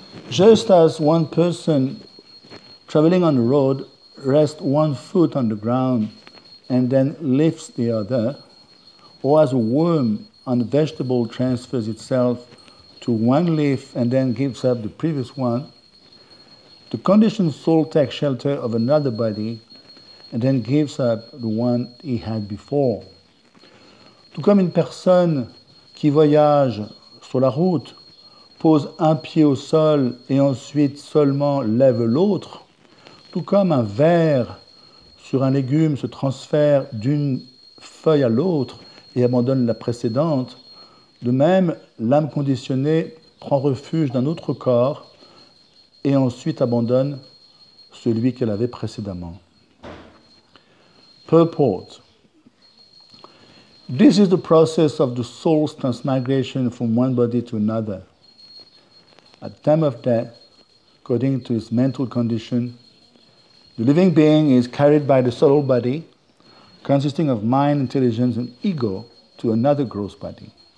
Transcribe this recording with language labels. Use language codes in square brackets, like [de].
[en] Just as one person traveling on the road rests one foot on the ground and then lifts the other, or as a worm on a vegetable transfers itself to one leaf and then gives up the previous one, the conditioned soul takes shelter of another body and then gives up the one he had before. [fr] Tout comme une personne qui voyage sur la route pose un pied au sol et ensuite seulement lève l'autre, tout comme un ver sur un légume se transfère d'une feuille à l'autre et abandonne la précédente, de même l'âme conditionnée prend refuge d'un autre corps et ensuite abandonne celui qu'elle avait précédemment. [en] Purport. This is the process of the soul's transmigration from one body to another. At the time of death, according to his mental condition, the living being is carried by the subtle body, consisting of mind, intelligence, and ego, to another gross body.